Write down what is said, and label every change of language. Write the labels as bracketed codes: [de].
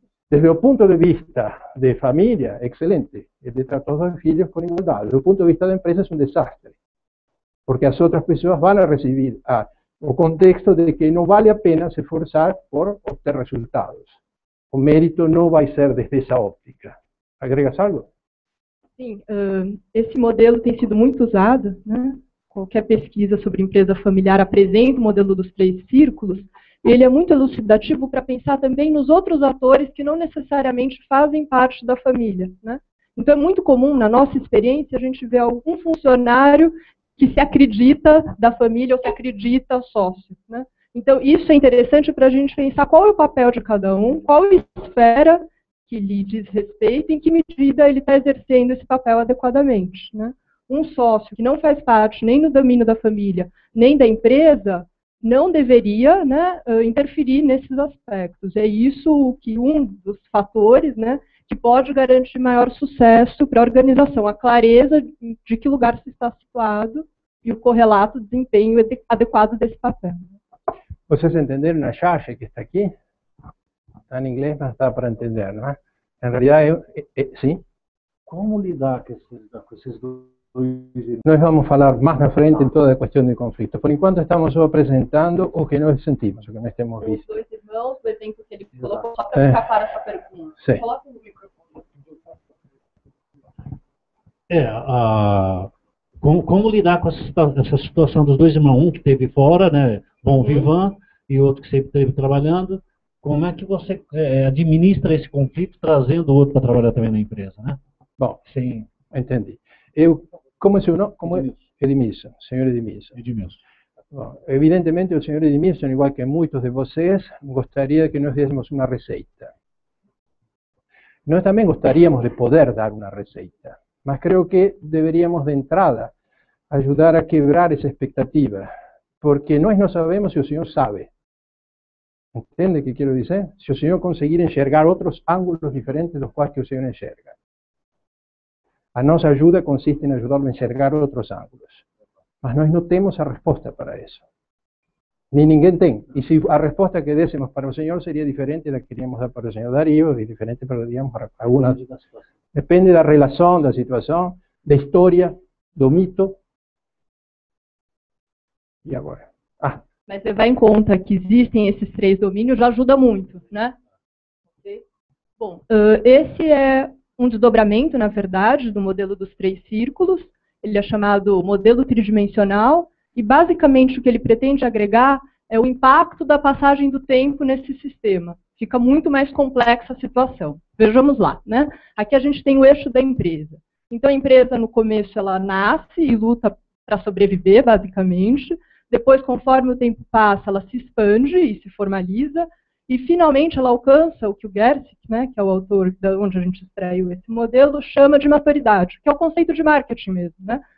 [es] Desde el punto de vista de familia, excelente, el de tratar a los hijos con igualdad. Desde el punto de vista de empresa es un desastre, porque las otras personas van a recibir el contexto de que no vale la pena esforzar por obtener resultados. O mérito no va a ser desde esa óptica. ¿Agregas algo? [pt] Sí, este modelo tem sido muito usado, né? Qualquer pesquisa sobre empresa familiar apresenta o modelo dos três círculos, e ele é muito elucidativo para pensar também nos outros atores que não necessariamente fazem parte da família, né? Então é muito comum, na nossa experiência, a gente ver algum funcionário que se acredita da família ou se acredita sócio, né? Então, isso é interessante para a gente pensar qual é o papel de cada um, qual esfera que lhe diz respeito e em que medida ele está exercendo esse papel adequadamente. Né? Um sócio que não faz parte nem no domínio da família, nem da empresa, não deveria, né, interferir nesses aspectos. É isso que um dos fatores, né, que pode garantir maior sucesso para a organização, a clareza de que lugar se está situado e o correlato desempenho adequado desse papel. [es] ¿Ustedes entendieron la llave que está aquí? Está en inglés, pero está para entender, ¿no? En realidad, ¿sí? ¿Cómo lidar con esos dos? Nos vamos a hablar más a frente en toda la cuestión de conflicto. Por en cuanto estamos solo presentando o que nos sentimos, o que no estemos viendo. Los dos hermanos, el ejemplo que él colocó, para que para esa pregunta. Sí. Coloque el micrófono. [pt] Como lidar com essa situação dos dois irmãos, um que esteve fora, né, bom vivant, e outro que sempre esteve trabalhando, como é que você administra esse conflito trazendo o outro para trabalhar também na empresa? Né? Bom, sim, entendi. Eu, como é seu nome? Como é? Edmilson, senhor Edmilson. Edmilson. Bom, evidentemente, o senhor Edmilson, igual que muitos de vocês, gostaria que nós dessemos uma receita. Nós também gostaríamos de poder dar uma receita. [es] Mas creo que deberíamos de entrada ayudar a quebrar esa expectativa, porque nós no sabemos si el señor sabe. ¿Entiende qué quiero decir? Si el señor conseguir enxergar otros ángulos diferentes de los cuales que el señor enxerga. A nuestra ayuda consiste en ayudarlo a enxergar otros ángulos. Mas nós no tenemos la respuesta para eso. [pt] Ni ninguém tem. [es] Y si la respuesta que désemos para el señor sería diferente de la que queríamos dar para el señor Darío y diferente para, digamos, para alguna de las cosas. Depende de la relación, de la situación, de la historia, del mito. Y ahora. Pero lleva en cuenta que existen esos tres dominios, ya ayuda mucho, ¿no? Okay. Bueno, ese es un desdobramiento, en verdad, del modelo de los tres círculos. Él es llamado modelo tridimensional. Y básicamente lo que él pretende agregar es el impacto de la pasaje del tiempo en ese sistema. [pt] Fica muito mais complexa a situação. Vejamos lá, né? Aqui a gente tem o eixo da empresa. Então, a empresa, no começo, ela nasce e luta para sobreviver, basicamente. Depois, conforme o tempo passa, ela se expande e se formaliza. E, finalmente, ela alcança o que o Gerstig, né, que é o autor de onde a gente extraiu esse modelo, chama de maturidade, que é o conceito de marketing mesmo, né?